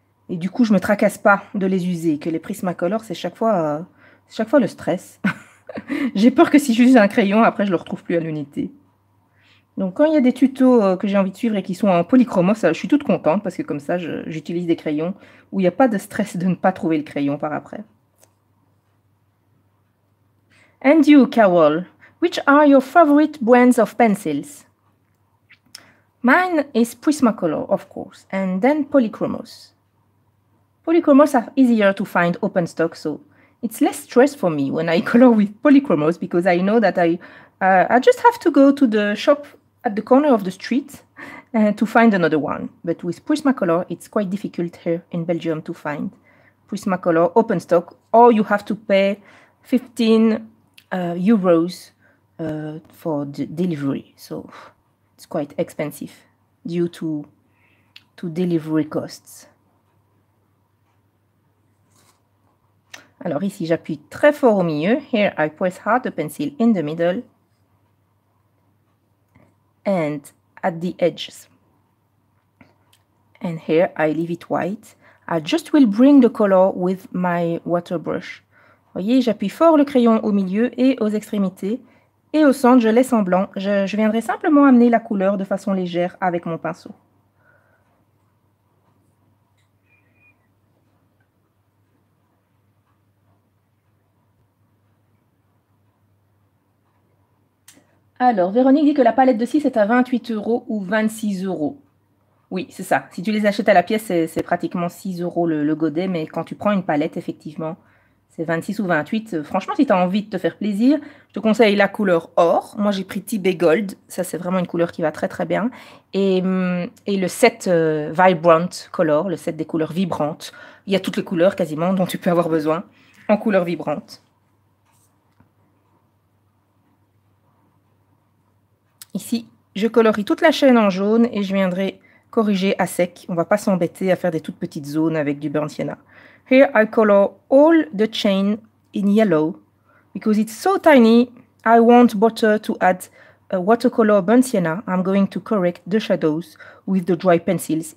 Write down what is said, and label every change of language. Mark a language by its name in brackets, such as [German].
[French] Et du coup, je ne me tracasse pas de les user. Que les Prismacolor, c'est chaque fois le stress. J'ai peur que si j'use un crayon, après, je ne le retrouve plus à l'unité. Donc, quand il y a des tutos que j'ai envie de suivre et qui sont en polychromos, je suis toute contente parce que comme ça, j'utilise des crayons où il n'y a pas de stress de ne pas trouver le crayon par après. [English] And you, Carol, which are your favorite brands of pencils? Mine is Prismacolor, of course, and then polychromos. Polychromos are easier to find open stock, so it's less stress for me when I color with polychromos because I know that I just have to go to the shop at the corner of the street to find another one. But with Prismacolor, it's quite difficult here in Belgium to find Prismacolor open stock, or you have to pay 15 euros for the delivery. So it's quite expensive due to delivery costs. [French] Alors ici, j'appuie très fort au milieu. [English] Here I press hard the pencil in the middle. And at the edges. And here I leave it white. I just will bring the color with my water brush. [French] Voyez, j'appuie fort le crayon au milieu et aux extrémités. Et au centre, je laisse en blanc. Je viendrai simplement amener la couleur de façon légère avec mon pinceau. Alors, Véronique dit que la palette de 6 est à 28 euros ou 26 euros. Oui, c'est ça. Si tu les achètes à la pièce, c'est pratiquement 6 euros le godet. Mais quand tu prends une palette, effectivement, c'est 26 ou 28. Franchement, si tu as envie de te faire plaisir, je te conseille la couleur or. Moi, j'ai pris Tibet Gold. Ça, c'est vraiment une couleur qui va très, très bien. Et le set Vibrant Color, le set des couleurs vibrantes. Il y a toutes les couleurs quasiment dont tu peux avoir besoin en couleurs vibrantes. Ici, je colorie toute la chaîne en jaune et je viendrai corriger à sec. On ne va pas s'embêter à faire des toutes petites zones avec du burnt sienna. [English] Here, I color all the chain in yellow because it's so tiny. I won't bother to add a watercolor burnt sienna. I'm going to correct the shadows with the dry pencils.